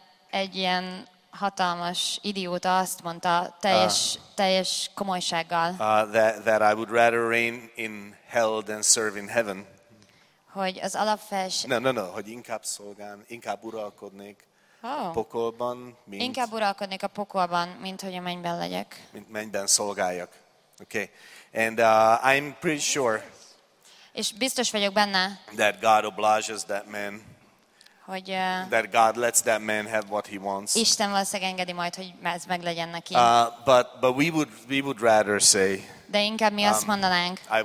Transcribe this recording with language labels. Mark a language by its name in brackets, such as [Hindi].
[Hungarian] Egy ilyen hatalmas idióta azt mondta teljes komolysággal. [English] That I would rather reign in hell than serve in heaven. [Hungarian] Hogy az alapfels. No, hogy inkább szolgálni, inkább uralkodnék. A pokolban, mint inkább uralkodnék a pokolban, mint hogy a mennyben legyek. Mint mennyben szolgáljak. [English] Okay. And I'm pretty sure. [Hungarian] És biztos vagyok benne. [English] That God obliges that man. [Hungarian] Hogy [English] that God lets that man have what he wants. [Hungarian] Isten valószínűleg engedi majd, hogy ez meglegyen neki. [English] But we would rather say. [Hungarian] De inkább mi azt mondanánk.